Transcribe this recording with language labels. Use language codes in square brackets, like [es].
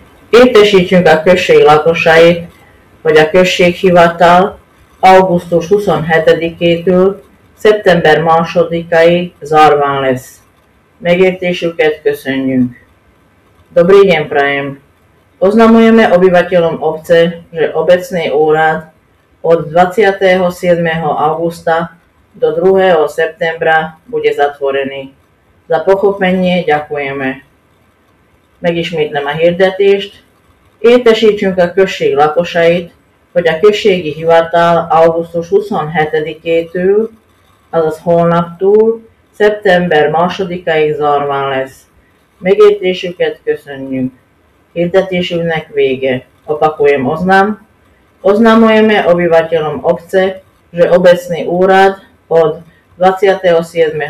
[hu] Értesítjük a község lakosait, hogy a községhivatal augusztus 27-től szeptember 2-ig zárván lesz. Megértésüket köszönjük! [sk] Dobrý deň prajem! Oznamujeme obyvateľom obce, že obecný úrad od 27. augusta do 2. septembra bude zatvorený. Za pochopenie ďakujeme. [hu] Megismétlem a hirdetést. Értesítsünk a község lakosait, hogy a községi hivatal augusztus 27-től, azaz holnaptól, szeptember 2-ig zárván lesz. Megértésüket köszönjük. Hirdetésünknek vége. [sk] Opakujem oznám. Oznamujeme obyvateľom obce, že obecný úrad od 27.